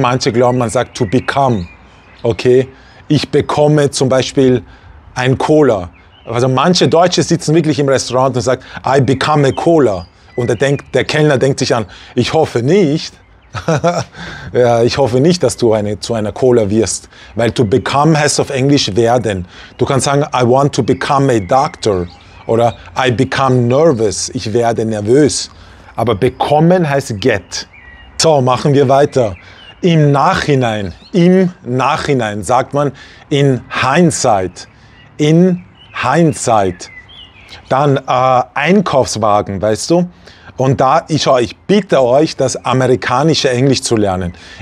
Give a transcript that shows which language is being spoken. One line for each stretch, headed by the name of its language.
German: Manche glauben, man sagt to become. Okay, ich bekomme zum Beispiel ein Cola. Also manche Deutsche sitzen wirklich im Restaurant und sagen,
English: I become a Cola.
German: Und der Kellner denkt sich an, ich hoffe nicht, ja, ich hoffe nicht, dass du zu einer Cola wirst. Weil to become heißt auf Englisch werden. Du kannst sagen,
English: I want to become a doctor.
German: Oder
English: I become nervous,
German: ich werde nervös. Aber bekommen heißt get. So, machen wir weiter. Im Nachhinein sagt man in hindsight, in Hindsight. Dann Einkaufswagen, weißt du? Und da, ich bitte euch, das amerikanische Englisch zu lernen.